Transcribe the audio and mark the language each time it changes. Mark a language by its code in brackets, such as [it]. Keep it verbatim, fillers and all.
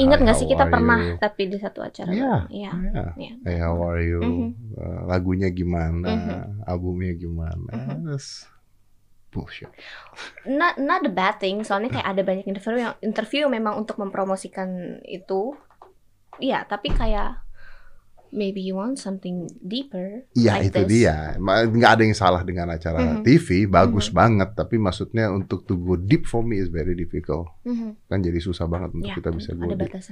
[id] Ingat nggak sih kita pernah you? Tapi di satu acara. [en] Iya. Yeah. Yeah. Yeah. Hey, how are you? Mm-hmm. Uh, [id] lagunya gimana? [en] Mm-hmm. [id] Albumnya gimana? Mm-hmm. [en] That's bullshit. Not not a bad thing. [id] Soalnya kayak ada banyak interview yang interview memang untuk mempromosikan itu. Iya, tapi kayak [en] maybe you want something deeper. [id] Iya, like itu this. Dia. Nggak ada yang salah dengan acara mm-hmm. T V, bagus mm-hmm. banget. Tapi maksudnya untuk [en] to go deep for me is very difficult. Mm-hmm. [id] Kan jadi susah banget untuk ya, kita bisa [en] go deep.